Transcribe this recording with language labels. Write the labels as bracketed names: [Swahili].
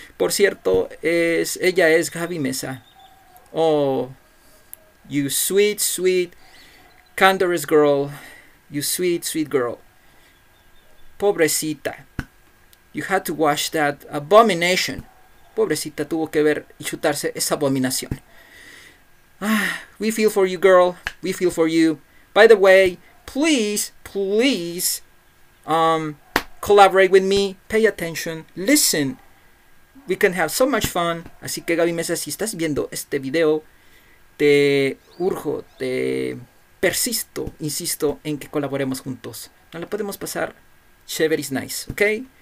[Spanish] Por cierto, ella es Gaby Mesa. [English] Oh, you sweet, sweet, candorous girl. You sweet, sweet girl. [Spanish] Pobrecita. [English] You had to watch that abomination. [Spanish] Pobrecita tuvo que ver y chutarse esa abominación. [English] Ah, we feel for you, girl. We feel for you. By the way, please, please, collaborate with me. Pay attention. Listen. We can have so much fun. [Spanish] Así que Gaby Mesa, si estás viendo este video, te urjo, te persisto, insisto en que colaboremos juntos. Nos la podemos pasar chévere [English] is nice, [Spanish] ¿ok?